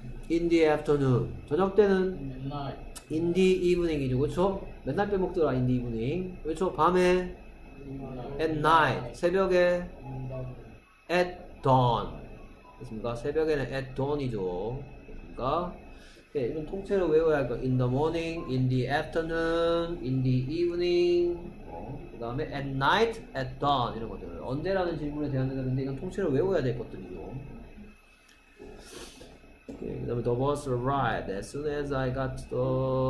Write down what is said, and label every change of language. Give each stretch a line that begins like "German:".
English: In the afternoon.
Korean: 저녁 때는?
English: In the evening이죠, 그쵸?
Korean: 맨날 빼먹더라,
English: in the evening.
Korean: 그렇죠? 밤에?
English: At night.
Korean: 새벽에?
English: At dawn.
Korean: 됐습니까? 새벽에는
English: at dawn이죠. 됐습니까?
Korean: 네, 이건 통째로 외워야 할 거.
English: In the morning, in the afternoon, in the evening.
Korean: 그 다음에
English: at night, at dawn.
Korean: 이런 것들. 언제라는 질문에 대한 대답인데, 이건 통째로 외워야 될 것들이죠. 그 다음에
English: the bus arrived as soon as I got to the...